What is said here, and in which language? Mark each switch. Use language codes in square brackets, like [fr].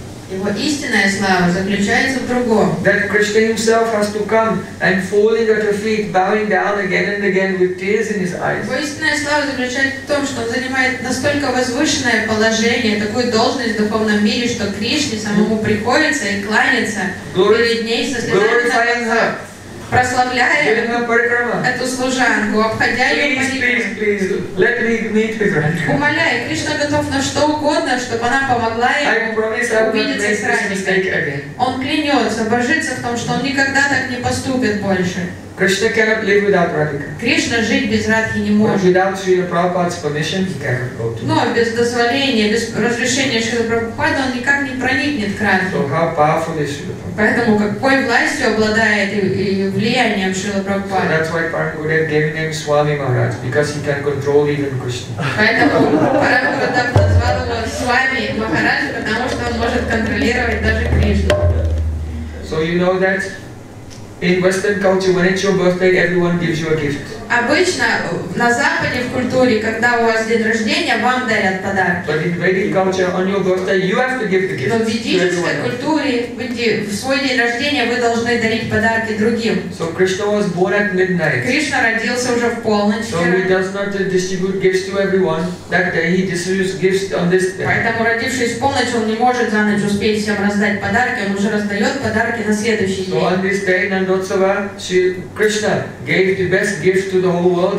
[ru] Его истинная слава заключается в другом. [en] That Krishna himself has to come and falling at her feet, bowing down again and again with tears in his eyes. [ru] Его истинная слава заключается в том, что он занимает настолько возвышенное положение, такую должность в духовном мире, что Кришне самому приходится и кланяться перед ней со слезами. Прославляя эту служанку, обходя [en] please, [ru] ее молитву, умоляя, Кришна готов на что угодно, чтобы она помогла ему увидеться с Радхикой. Он клянется, божится в том, что он никогда так не поступит больше. [en] Krishna cannot live without Radhika. [ru] Кришна жить без Радхи не может. [en] Without Srila Prabhupada's permission, he cannot go to. [ru] Но без дозволения, без разрешения Шрилы Прабхупады он никак не проникнет к Радхе. [en] So how powerful is Srila Prabhupada? [ru] Поэтому какой властью обладает и влиянием влиянием Шрилы Прабхупады. [en] That's why Prabhupada gave him Swami Maharaj, because he can control even Krishna. [ru] Поэтому Прабхупада назвал его Свами Махарадж, потому что он может контролировать даже Кришну. [en] So you know that in Western culture, when it's your birthday, everyone gives you a gift. [ru] Обычно на Западе в культуре, когда у вас день рождения, вам дарят подарок. [en] But in Vedic culture, on your birthday, you have to give the gift. [ru] Но в ведической культуре, в свой день рождения, вы должны дарить подарки другим. [en] So Krishna was born at midnight. [ru] Кришна родился уже в полночь. [en] So he does not distribute gifts to everyone that day. He distributes gifts on this day. [ru] Поэтому родившись в полночь, он не может за ночь успеть всем раздать подарки. Он уже раздает подарки на следующий день. [en] So on this day, Nandotsava, Krishna gave the best gift to the whole world.